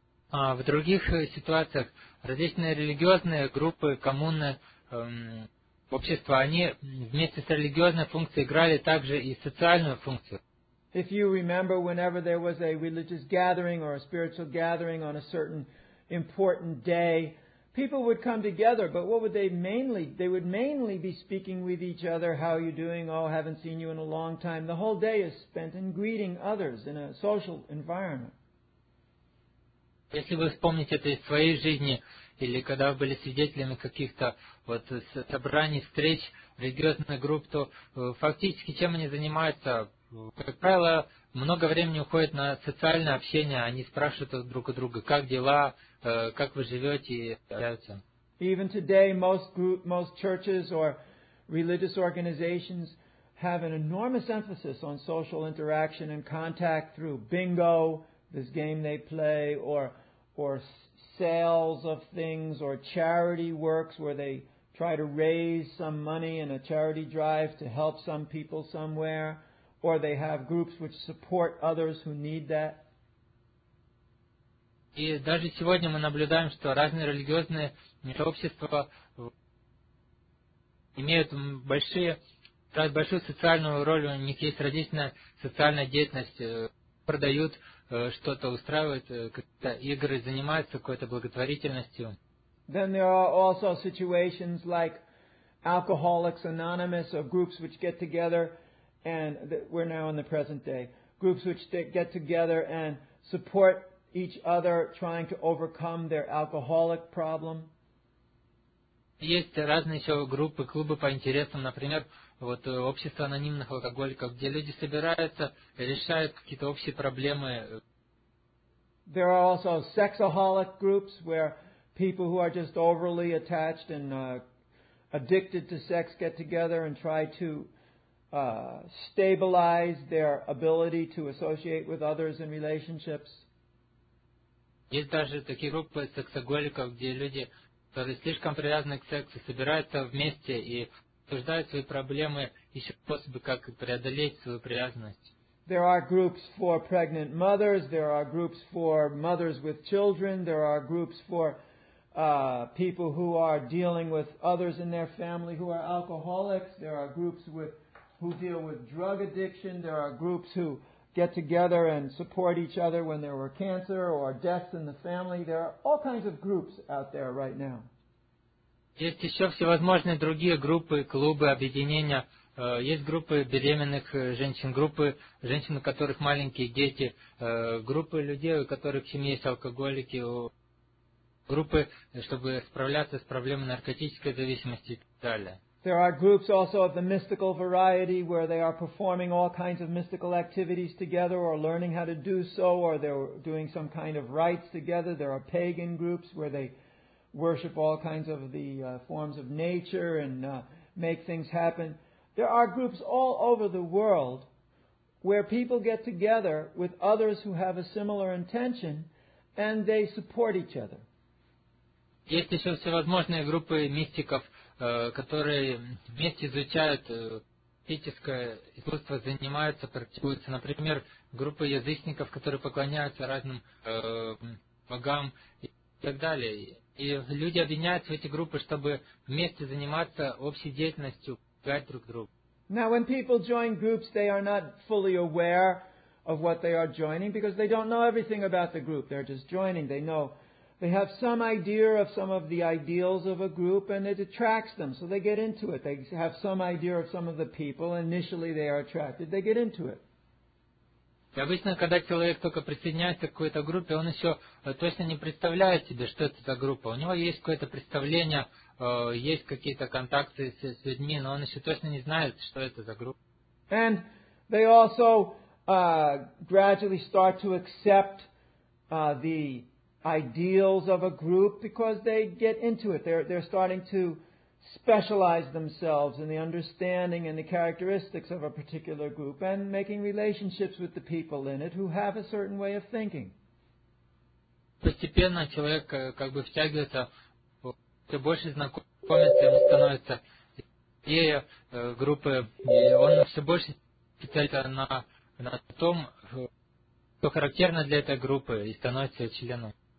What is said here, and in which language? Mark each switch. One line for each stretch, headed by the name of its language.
Russian: В других ситуациях различные религиозные группы, коммуны, общества, они вместе с религиозной функцией играли также и социальную функцию.
English: If you remember, whenever there was a religious gathering or a spiritual gathering on a certain important day, people would come together, but what would they mainly? They would mainly be speaking with each other. How are you doing? Oh, haven't seen you in a long time. The whole day is spent in greeting others in a social environment.
Russian: Если вы вспомните это из своей жизни или когда вы были свидетелями каких-то вот собраний, встреч религиозных групп, то фактически чем они занимаются? Как правило, много времени уходит на социальное общение. Они спрашивают друг у друга, как дела, как вы живете, и общаются.
English: Even today, most churches or religious organizations have an enormous emphasis on social interaction and contact through bingo, this game they play, or sales of things, or charity works where they try to raise some money in a charity drive to help some people somewhere, or they have groups which support others who need that.
Russian: И даже сегодня мы наблюдаем, что разные религиозные сообщества имеют большую социальную роль, у них есть различная социальная деятельность, продают что-то, устраивают какие-то игры, занимаются какой-то благотворительностью.
English: Then there are also situations like Alcoholics Anonymous, or groups which get together, and we're now in the present day, groups which get together and support each other trying to overcome their alcoholic problem.
Russian: Есть разные еще группы, клубы по интересам, например, вот общество анонимных алкоголиков, где люди собираются, решают какие-то общие проблемы.
English: There are also sexaholic groups where people who are just overly attached and addicted to sex get together and try to stabilize their ability to associate with others in relationships.
Russian: Есть даже такие группы сексоголиков, где люди, которые слишком привязаны к сексу, собираются вместе и обсуждают свои проблемы, ищут способы, как преодолеть свою привязанность.
English: There are groups for pregnant mothers, there are groups for mothers with children, there are groups for people who are dealing with others in their family who are alcoholics, there are groups who deal with drug addiction, there are groups who get together and support each other when there were cancer or deaths in the family. There are all kinds of groups out there right now.
Russian: Есть еще всевозможные другие группы, клубы, объединения. Есть группы беременных женщин, группы женщин, у которых маленькие дети, группы людей, у которых в семье есть алкоголики, группы, чтобы справляться с проблемой наркотической зависимости и так далее.
English: There are groups also of the mystical variety where they are performing all kinds of mystical activities together or learning how to do so, or they're doing some kind of rites together. There are pagan groups where they worship all kinds of the forms of nature and make things happen. There are groups all over the world where people get together with others who have a similar intention and they support each other.
Russian: Есть еще всевозможные группы мистиков, которые вместе изучают мистическое искусство, занимаются, практикуются. Например, группы язычников, которые поклоняются разным богам и так далее. И люди объединяются в эти группы, чтобы вместе заниматься общей деятельностью, помогать друг другу.
English: Now, when people join groups, they are not fully aware of what they are joining, because they don't know everything about the group. They're just joining. They know. They have some idea of some of the ideals of a group, and it attracts them, so they get into it. They have some idea of some of the people, and initially they are attracted, they get into it.
Russian: Обычно, когда человек только присоединяется к какой-то группе, он еще точно не представляет себе, что это за группа. У него есть какое-то представление, есть какие-то контакты с людьми, но он еще точно не знает, что это за группа.
English: And they also gradually start to accept the ideals of a group because they get into it. They're starting to specialize themselves in the understanding and the characteristics of a particular group and making relationships with the people in it who have a certain way of thinking.
Russian: Постепенно человек как бы втягивается, все больше знакомится, ему становится идея группы, и он все больше специализируется на том, что характерно для этой группы, и становится членом.